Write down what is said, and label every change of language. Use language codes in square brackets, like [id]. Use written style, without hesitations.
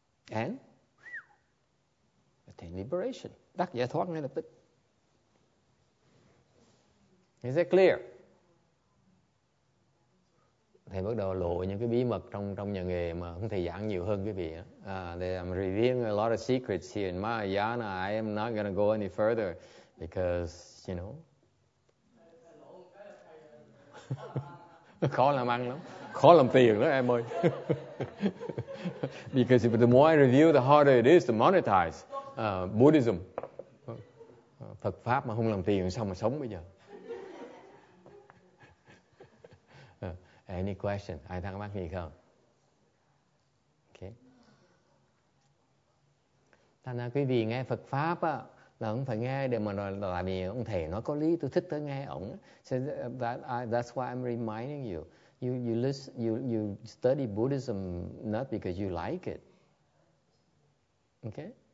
[en] And attain liberation. [vi] Đắc giải thoát ngay lập tức. [en] Is that clear? [vi] Thầy bắt đầu lộ những cái bí mật trong nhà nghề mà không thể giảng nhiều hơn quý vị. [en] I'm revealing a lot of secrets here in Mahayana. I am not going to go any further because, you know, [vi] khó làm ăn lắm, khó làm tiền lắm em ơi. [en] Because the more I review, the harder it is to monetize Buddhism. [vi] Phật pháp mà không làm tiền sao mà sống bây giờ? [en] Any question? [vi] Ai thắc mắc gì không? Okay. Thành ra quý vị nghe Phật pháp á, là không phải nghe để mà nói, là vì ông thầy nói có lý, tôi thích tới nghe ông. [en] So that's why I'm reminding you. You study Buddhism not because you like it. Okay?